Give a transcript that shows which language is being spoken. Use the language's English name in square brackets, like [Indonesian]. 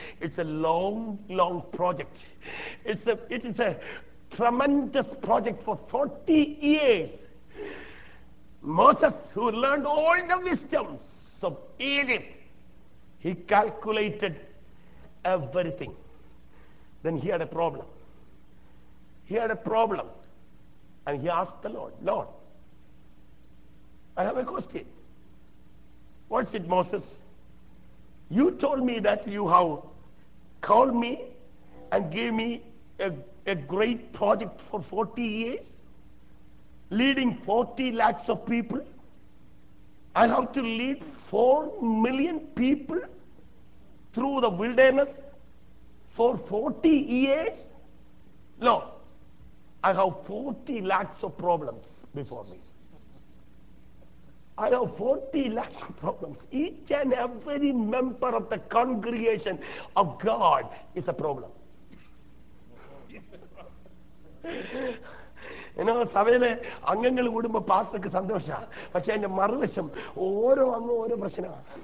[English] It's a long long project. It's a tremendous project for 40 years. Moses, who learn all the wisdoms of Egypt, he calculated everything. Then he had a problem. He had a problem and he asked the Lord, Lord, I have a question. What's it, Moses? You told me that you have called me and gave me a great project for 40 years, leading 40 lakhs of people. I have to lead 4 million people through the wilderness for 40 years? Lord, I have 40 lakhs of problems before me. I have 40 lakhs of problems. Each and every member of the congregation of God is a problem. [Malayalam] എന്നാൽ സഭയിലെ അംഗങ്ങൾ കൂടുമ്പോ പാസ്റ്റർക്ക് സന്തോഷമാണ്. പക്ഷെ എന്റെ മറുവശം ഓരോ അംഗം ഓരോ പ്രശ്നമാണ്.